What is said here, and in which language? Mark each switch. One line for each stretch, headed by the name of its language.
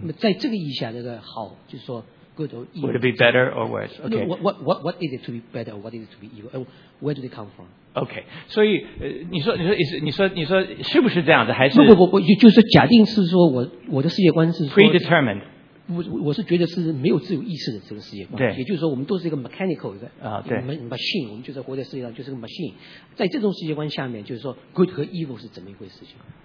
Chinese: 那么在这个意义下，那个好，就是说。
English: Good or evil. Would it be better or worse? Okay. What is it to be better or what is it to be evil? Where do they come from? Okay.
Chinese: 所以你说是不是这样的？还是不，就是假定是说我的世界观是
English: predetermined.
Chinese: 我是觉得是没有自由意识的这个世界观。对。也就是说，我们都是一个 mechanical 的啊，对，machine. 我们就在活在世界上就是个 machine. 在这种世界观下面，就是说 good 和 evil 是怎么一回事情？